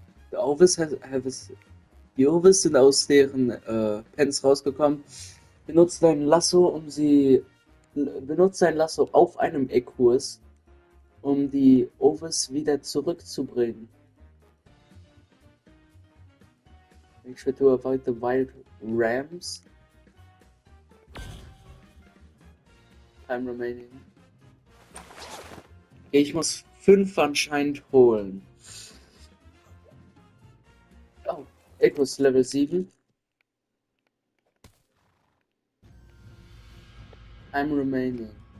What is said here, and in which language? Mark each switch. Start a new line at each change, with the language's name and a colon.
English: The Ovis have
German: Die Ovis sind aus deren Pens rausgekommen. Benutzt ein Lasso, um sie. Benutzt ein Lasso auf einem Eckkurs, um die Ovis wieder zurückzubringen.
English: Make sure to avoid the wild rams. Time remaining.
German: Okay, ich muss 5 anscheinend holen. Oh, Eckkurs Level 7.
English: Time remaining.